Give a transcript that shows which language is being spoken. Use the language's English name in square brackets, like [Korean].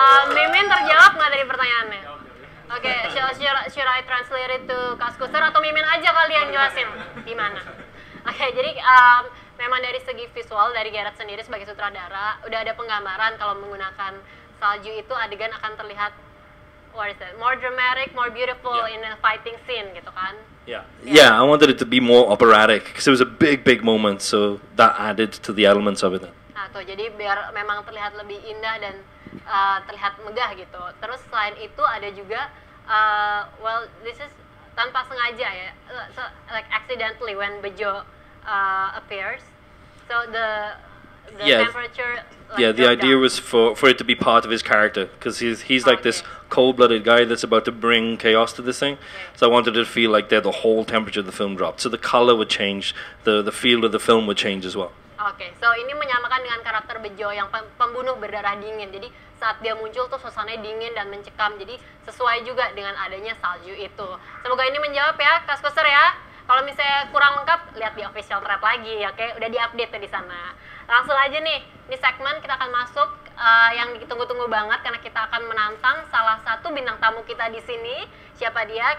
[Indonesian] Mimin terjawab nggak dari pertanyaannya? Oke, okay, should I translate it to Kaskuser atau Mimin aja kali yang jelasin di mana? Oke, okay, jadi memang dari segi visual dari Gerard sendiri sebagai sutradara udah ada penggambaran kalau menggunakan salju itu adegan akan terlihat what is that? [English] More dramatic, more beautiful in a fighting scene gitu kan? Yeah, I wanted it to be more operatic because it was a big moment, so that added to the elements of it. [Indonesian] Nah, tuh jadi biar memang terlihat lebih indah dan terlihat megah gitu. Terus selain itu ada juga well this is tanpa sengaja ya. [English] So, like accidentally when Bajo appears. So the temperature like, yeah, the idea down. Was for it to be part of his character because he's like this cold-blooded guy that's about to bring chaos to this thing. Okay. So I wanted it to feel like the whole temperature of the film dropped. So the color would change, the feel of the film would change as well. [Indonesian] Okay, so ini menyamakan dengan karakter Bajo yang pembunuh berdarah dingin. Jadi saat dia muncul tuh suasananya dingin dan mencekam. Jadi sesuai juga dengan adanya salju itu. Semoga ini menjawab ya, Kaskuser ya. Kalau misalnya kurang lengkap, lihat di official thread lagi ya, oke? Udah di-update di sana. Langsung aja nih, di segmen kita akan masuk yang ditunggu-tunggu banget karena kita akan menantang salah satu bintang tamu kita di sini. Siapa dia?